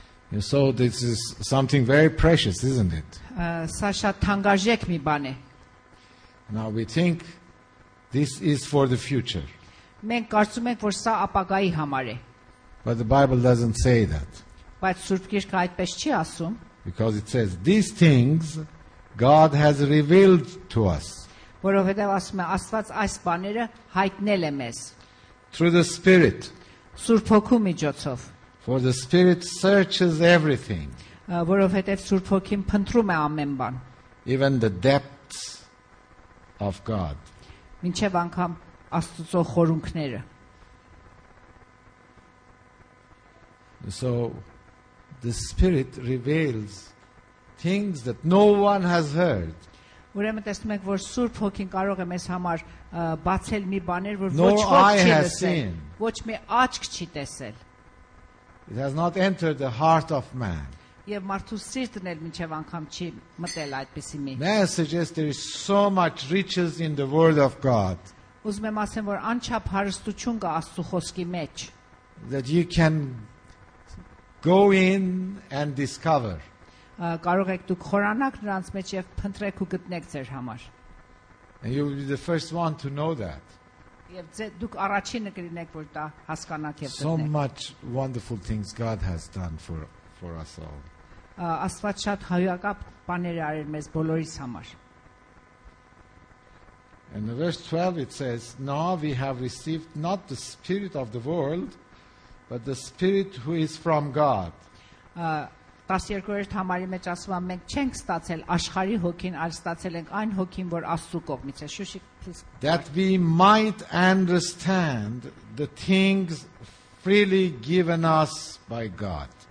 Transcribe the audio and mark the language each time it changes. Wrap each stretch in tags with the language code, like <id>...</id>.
<en>And so this is something very precious, isn't it?</en> <hy>Սա շատ թանկարժեք մի բան է.</hy> <en>Now we think this is for the future.</en> <hy>Մենք կարծում ենք, որ սա ապագայի համար է.</hy> <en>But the Bible doesn't say that.</en> <hy>Բայց Սուրբ Գիրքը այդպես չի ասում.</hy> <en>Because it says these things God has revealed to us.</en> <hy>Որովհետև ասում է Աստված այս բաները հայտնել է մեզ.</hy> <en>Through the Spirit.</en> <hy>Սուրբ Հոգու միջոցով.</hy> <en>For the Spirit searches everything.</en> <hy>Որովհետև Սուրբ Հոգին փնտրում է ամեն բան.</hy> <en>Even the depths of God.</en> <hy>Մինչև անգամ Աստծո խորունքները.</hy> <en>So the Spirit reveals things that no one has heard.</en> <hy>Ուրեմն տեսնում եք, որ Սուրբ Հոգին կարող է մեզ համար բացել մի բաներ, որ ոչ ոք չի լսել, ոչ մի աչք չի տեսել.</hy> <en>It has not entered the heart of man.</en> <hy>Եվ մարդու սիրտն էլ մինչև անգամ չի մտել այդպիսի մի։</hy> <en>Man suggests there is so much riches in the word of God.</en> <hy>Ուզում եմ ասեմ, որ անչափ հարստություն կա Աստծո խոսքի մեջ։</hy> <en>That you can go in and discover.</en> <hy>Կարող եք դուք խորանալ նրանց մեջ եւ փնտրեք ու գտնեք ձեր համար.</hy> <en>And you will be the first one to know that.</en> <hy>Եվ դուք առաջինը կլինեք, որ դա հասկանաք եւ գտնեք.</hy> <en>So much wonderful things God has done for us all.</en> <hy>Աստված շատ հայակապ բաներ արել մեզ բոլորիս համար.</hy> <en>In verse 12 it says, "Now we have received not the spirit of the world, but the Spirit who is from God."</en> <hy>12-րդ համարի մեջ ասում եմ, մենք չենք ստացել աշխարհի հոգին, այլ ստացել ենք այն հոգին, որ Աստծո կողմից է։ Շուշիկ, please.</hy> <en>That we might understand the things freely given us by God.</en>